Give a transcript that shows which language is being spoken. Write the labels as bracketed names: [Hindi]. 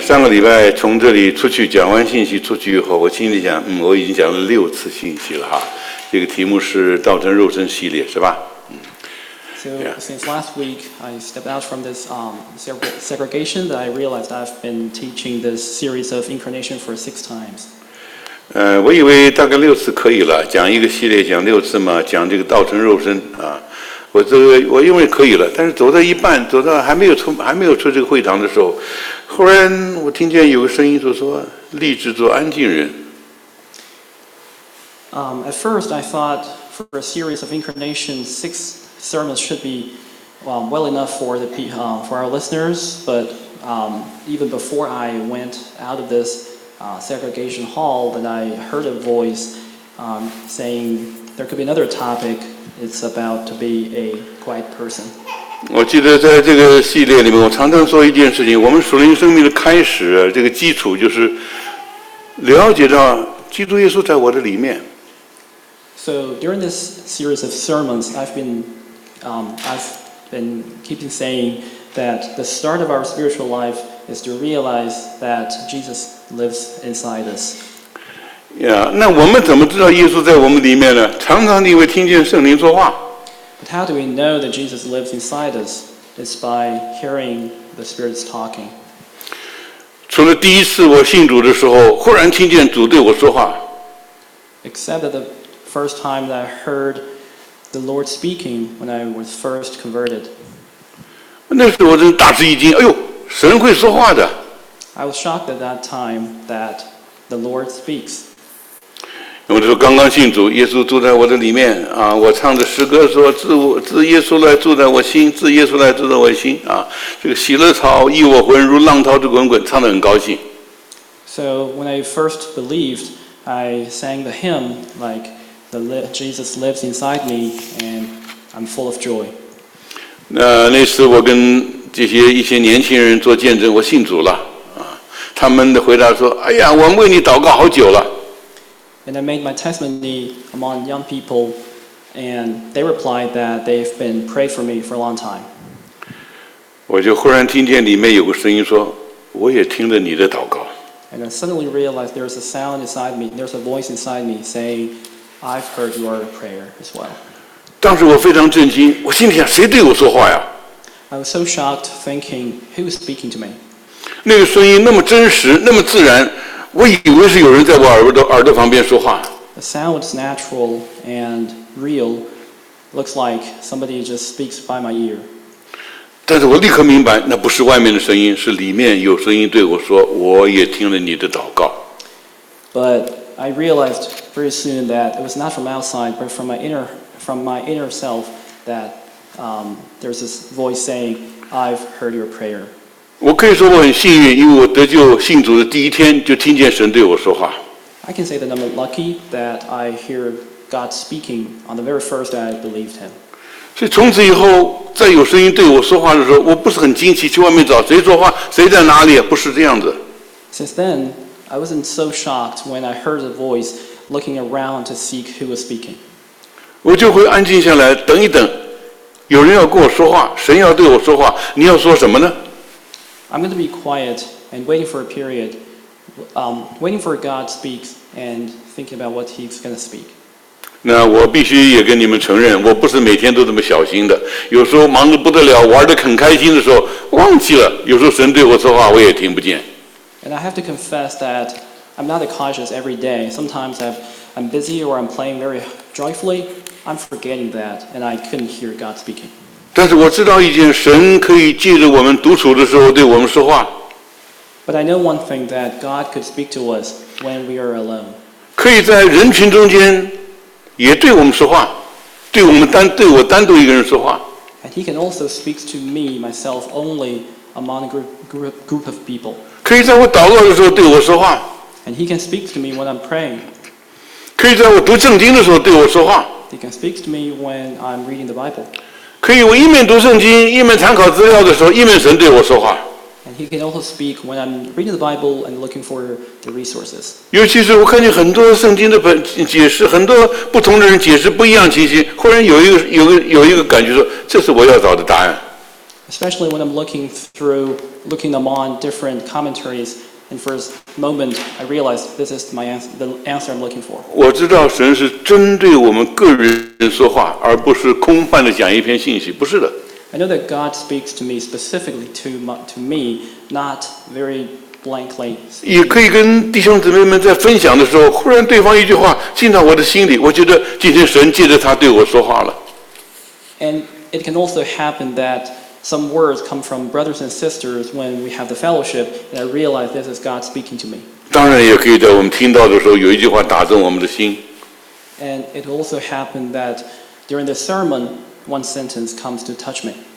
[Chinese] 上个礼拜从这里出去讲完信息出去以后，我心里想，我已经讲了六次信息了哈。这个题目是道成肉身系列，是吧？ [English] So since last week, I stepped out from this segregation that I realized I've been teaching this series of incarnation for six times. [Chinese] 我以为大概六次可以了，讲一个系列讲六次嘛，讲这个道成肉身啊。我认为可以了，但是走到一半，走到还没有出这个会堂的时候，忽然我听见有个声音就说：“立志做安静人。” [English] At first, I thought for a series of incarnations, six sermons should be well enough for our listeners. But even before I went out of this segregation hall, then I heard a voice saying there could be another topic. It's about to be a quiet person. [Chinese] 我记得在这个系列里面，我常常说一件事情：我们属灵生命的开始，这个基础就是了解到基督耶稣在我的里面。 [English] So during this series of sermons, I've been keeping saying that the start of our spiritual life is to realize that Jesus lives inside us. [Chinese] Yeah, 那我们怎么知道耶稣在我们里面呢？常常你会听见圣灵说话。 [English] But how do we know that Jesus lives inside us? It's by hearing the Spirit talking. [Chinese] 除了第一次我信主的时候，忽然听见主对我说话。 [English] Except that the first time that I heard the Lord speaking when I was first converted. [Chinese] 那时我真大吃一惊，哎呦，神会说话的。 [English] I was shocked at that time that the Lord speaks. [Chinese] 我就说刚刚信主，耶稣住在我的里面啊！我唱着诗歌说：“自耶稣来住在我心，自耶稣来住在我心啊！” 这个喜乐潮溢我魂，如浪涛之滚滚，唱得很高兴。 [English] So when I first believed, I sang the hymn like the Jesus lives inside me and I'm full of joy. [Chinese] 那时我跟这些一些年轻人做见证，我信主了啊！他们的回答说：“哎呀，我们为你祷告好久了。” [English] And I made my testimony among young people, and they replied that they've been praying for me for a long time. [Chinese] 我就忽然听见里面有个声音说，我也听了你的祷告。 [English] And I suddenly realized there's a sound inside me, there's a voice inside me saying, I've heard your prayer as well. [Chinese] 当时我非常震惊，我心里想，谁对我说话呀？ [English] I was so shocked, thinking, who's speaking to me? [Chinese] 那个声音那么真实，那么自然。我以为是有人在我耳朵旁边说话。 [English] The sound was natural and real. Looks like somebody just speaks by my ear. [Chinese] 但是我立刻明白，那不是外面的声音，是里面有声音对我说，我也听了你的祷告。 [English] But I realized very soon that it was not from outside, but from my inner self that there's this voice saying, I've heard your prayer. [Chinese] 我可以说我很幸运，因为我得救信主的第一天就听见神对我说话。 [English] I can say that I'm lucky that I hear God speaking on the very first day I believed Him. [Chinese] 所以从此以后，再有声音对我说话的时候，我不是很惊奇，去外面找谁说话，谁在哪里，不是这样子。 [English] Since then, I wasn't so shocked when I heard a voice looking around to seek who was speaking. [Chinese] 我就会安静下来，等一等，有人要跟我说话，神要对我说话，你要说什么呢？ [English] I'm going to be quiet and waiting for a period, waiting for God to speak and thinking about what He's going to speak. [Chinese] 那我必须也跟你们承认，我不是每天都这么小心的。有时候忙得不得了，玩得很开心的时候，忘记了。有时候神对我说话，我也听不见。 [English] And I have to confess that I'm not cautious every day. Sometimes I'm busy or I'm playing very joyfully. I'm forgetting that, and I couldn't hear God speaking. [Chinese] 但是我知道一件，神可以借着我们独处的时候对我们说话。 [English] But I know one thing that God could speak to us when we are alone. [Chinese] 可以在人群中间也对我们说话，对我单独一个人说话。 [English] And He can also speak to me myself only among a group of people. [Chinese] 可以在我祷告的时候对我说话。 [English] And He can speak to me when I'm praying. [Chinese] 可以在我读圣经的时候对我说话。 [English] He can speak to me when I'm reading the Bible. [Chinese] 可以，我一面读圣经，一面参考资料的时候，一面神对我说话。 [English] And He can also speak when I'm reading the Bible and looking for the resources. [Chinese] 尤其是我看见很多圣经的解释，很多不同的人解释不一样情形，忽然有一个感觉说，这是我要找的答案。 [English] especially when I'm looking them on different commentaries, and for a moment I realize this is the answer I'm looking for. [Chinese] 我知道神是针对我们个人说话，而不是空泛的讲一篇信息，不是的。 [English] I know that God speaks to me specifically to me, not very blankly. [Chinese] 也可以跟弟兄姊妹们在分享的时候，忽然对方一句话进到我的心里，我觉得今天神借着他对我说话了。 [English] And it can also happen that some words come from brothers and sisters when we have the fellowship, and I realize this is God speaking to me. [Chinese] 当然也可以在我们听到的时候，有一句话打中我们的心。 [English] And it also happened that during the sermon. One sentence comes to touch me.